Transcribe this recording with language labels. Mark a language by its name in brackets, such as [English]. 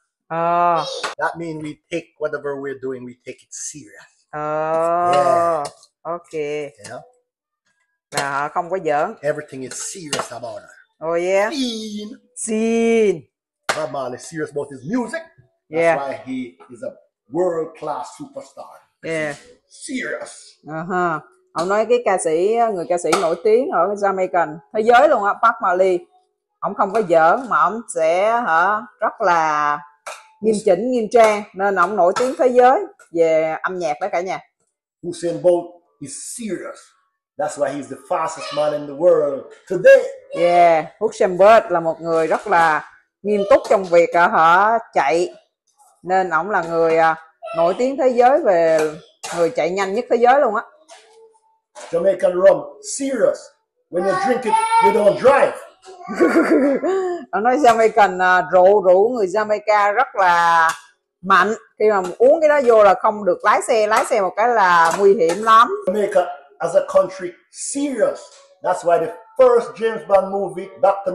[English] That means we take whatever we're doing, we take it serious. Ok. Yeah. [Vietnamese] Là họ không có giỡn. [English] Everything is serious about her. Mean. Xin. My man is serious about his music. That's Yeah. why he is a world class superstar. Yeah. Serious. [Vietnamese] Ông nói cái ca sĩ, người ca sĩ nổi tiếng ở Jamaican, thế giới luôn á, Bob Marley. Ông không có giỡn mà ông sẽ rất là nghiêm chỉnh, nghiêm trang, nên ông nổi tiếng thế giới về âm nhạc đó cả nhà. [English] Usain Bolt is serious. That's why he's the fastest man in the world today. [Vietnamese] Usain Bolt là một người rất là nghiêm túc trong việc chạy, nên ông là người nổi tiếng thế giới về người chạy nhanh nhất thế giới luôn á. [English] Jamaican rum, serious. When you drink it, you don't drive. [Vietnamese] Ông nói Jamaican rượu rượu người Jamaica rất là mạnh, khi mà uống cái đó vô là không được lái xe, lái xe một cái là nguy hiểm lắm. [English] Jamaica as a country, serious. That's why the first James Bond movie, Dr.